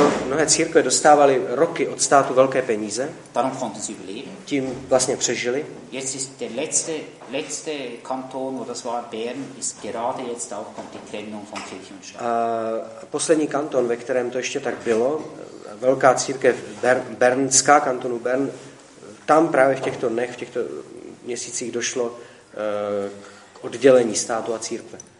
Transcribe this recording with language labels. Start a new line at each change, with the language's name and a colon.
Czech: Mnohé církve dostávali roky od státu velké peníze.
German: Darum konnten sie überleben.
Czech: Tím vlastně přežili.
German: Jetzt ist der letzte Kanton, wo das war, Bern, ist gerade jetzt auch kommt die Trennung von Kirche und Staat.
Czech: Poslední kanton, ve kterém to ještě tak bylo, velká církev bernská, kantonu Bern, tam právě v těchto měsících došlo k oddělení státu a církve.